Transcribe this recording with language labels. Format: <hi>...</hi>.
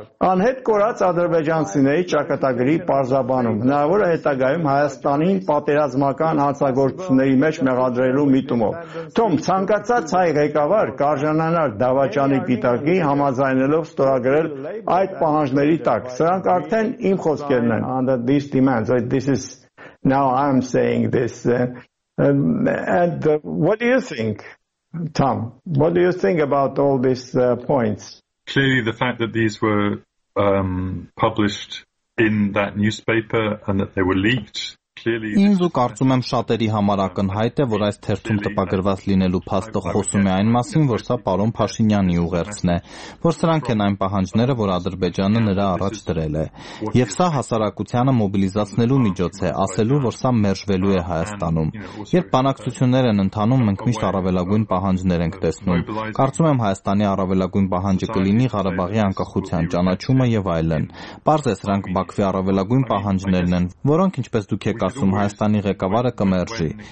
<hy>Անհետ կորած ադրբեջանցիների ճակատագրի պարզաբանում հնարավոր է հետագայում Հայաստանին պատերազմական հանցագործությունների մեջ մեղադրելու միտումով։ Թող ցանկացած հայ ղեկավար կարժանանար դավաճանի պիտակի, համաձայնելով ստորագրել այդ պահանջների տակ։ Սրանք արդեն իմ խոսքերն են։</hy> <en>Under these demands, like this is now I'm saying this. And what do you think, Tom? What do you think about all these points? Clearly, the fact that these were published in that newspaper and that they were leaked.</en> <hy>Ինձ ու կարծում եմ շատերի համար ակնհայտ է, որ այս թերթում տպագրված լինելու փաստը խոսում է այն մասին, որ սա պարոն Փաշինյանի ուղերձն է, որ սրանք են այն պահանջները, որ Ադրբեջանը նրա առաջ դրել է, եւ սա հասարակությանը մոբիլիզացնելու միջոց է, ասելու, որ սա մերժվելու է Հայաստանում։ Երբ բանակցություններ են ընթանում, մենք միշտ առավելագույն պահանջներ ենք տեսնում։ Կարծում եմ, Հայաստանի առավելագույն պահանջը կլինի Ղարաբաղի անկախության ճանաչումը եւ այլն։ Պարզ է, սրանք Բաքվի առավելագույն պահանջներն են, որոնք, ինչպես դուք կասում, Հայաստանի ղեկավարը կմերժի։</hy>